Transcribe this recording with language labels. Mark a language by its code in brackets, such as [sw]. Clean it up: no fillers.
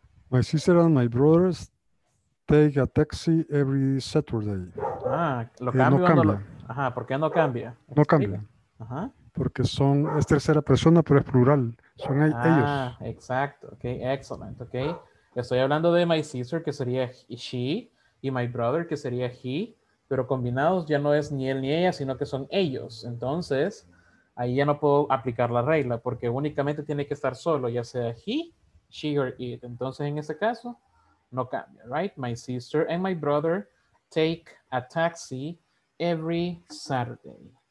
[en] My sister and my brothers take a taxi every Saturday. [es] Ah, ¿lo cambio? No cambia. Ajá, ¿por qué no cambia? No cambia. Ajá. Porque son, es tercera persona, pero es plural. Son ellos. Ah, exacto. [en] Okay. Excellent. Okay. [es] Estoy hablando de [en] my sister, [es] que sería she, y [en] my brother, [es] que sería he, pero combinados ya no es ni él ni ella, sino que son ellos. Entonces, ahí ya no puedo aplicar la regla, porque únicamente tiene que estar solo, ya sea [en] he, she, or it. [es] Entonces, en este caso, no cambia, [en] right? My sister and my brother take a taxi every Saturday.